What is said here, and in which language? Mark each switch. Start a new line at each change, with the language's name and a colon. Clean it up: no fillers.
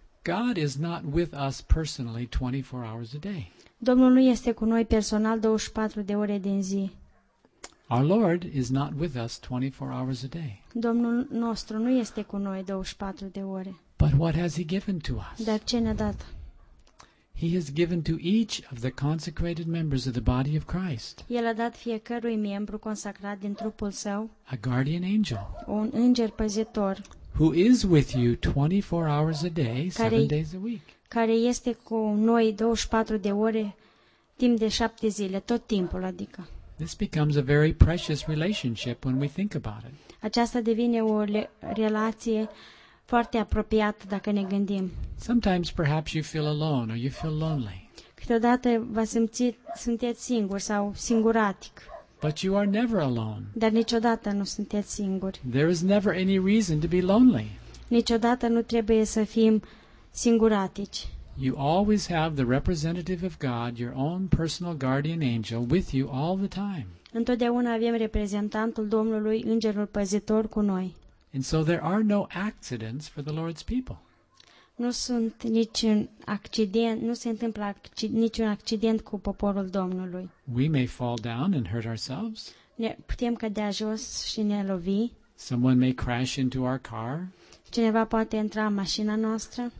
English: God is not with us personally 24 hours a day.
Romanian: Domnul nu este cu noi personal 24 de ore din zi.
English: Our Lord is not with us 24 hours a day.
Romanian: Domnul nostru nu este cu noi 24 de ore.
English: But what has he given to us?
Romanian: Dar ce ne-a dat?
English: He has given to each of the consecrated members of the body of Christ.
Romanian: El a dat fiecărui membru consacrat din trupul său.
English: A guardian angel.
Romanian: Un înger păzitor.
English: Who is with you 24 hours a day, 7 days a week.
Romanian: Care este cu noi 24 de ore timp de 7 zile, tot timpul, adică.
English: This becomes a very precious relationship when we think about it.
Romanian: Aceasta devine o relație foarte apropiată dacă ne gândim.
English: Sometimes perhaps you feel alone or you feel lonely.
Romanian: Câteodată vă sunteți singur sau singuratic.
English: But you are never alone.
Romanian: Dar niciodată nu sunteți singuri.
English: There is never any reason to be lonely.
Romanian: Niciodată nu trebuie să fim singuratici.
English: You always have the representative of God, your own personal guardian angel, with you all the time.
Romanian: Întotdeauna avem reprezentantul Domnului, îngerul păzitor, cu noi.
English: And so there are no accidents for the Lord's people.
Romanian: Nu sunt niciun accident, nu se întâmplă niciun accident cu poporul Domnului.
English: We may fall down and hurt ourselves.
Romanian: Ne putem cădea jos și ne lovi.
English: Someone may crash into our car.
Romanian: Cineva poate intra în mașina noastră.